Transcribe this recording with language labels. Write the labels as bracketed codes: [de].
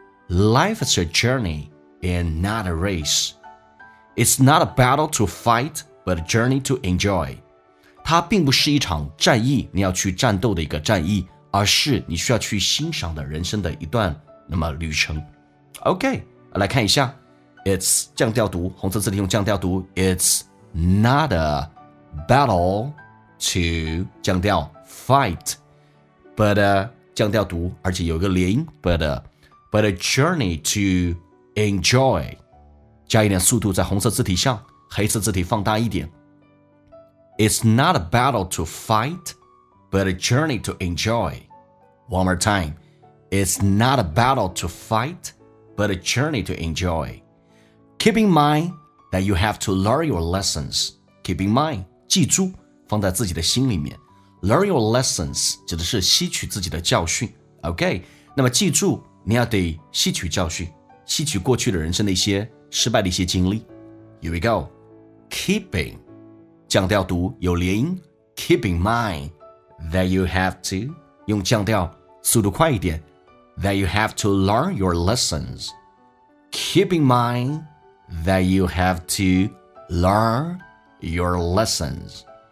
[en] Life is a journey and not a race. It's not a battle to fight, but a journey to enjoy. [zh] 它并不是一场战役，你要去战斗的一个战役，而是你需要去欣赏的人生的一段那么旅程。 OK， 来看一下。It's 降调读，红色字体用降调读。 [en] It's not a battle to [zh] 降调 fight, but a降调读，而且有一个连音 [en] but a journey to enjoy， [zh] 加一点速度在红色字体上，黑色字体放大一点。 [en] It's not a battle to fight, but a journey to enjoy. One more time. It's not a battle to fight, but a journey to enjoy. Keep in mind that you have to learn your lessons. Keep in mind， [zh] 记住，放在自己的心里面。 [en] Learn your lessons [zh] 指的是吸取自己的教训 ，OK？那么记住，你要得吸取教训，吸取过去的人生的一些失败的一些经历。 [en] Here we go. Keeping [zh] 降调读有连音 [en] ，Keep in mind that you have to [zh] 用降调，速度快一点 [en] ，that you have to learn your lessons. Keep in mind that you have to learn your lessons.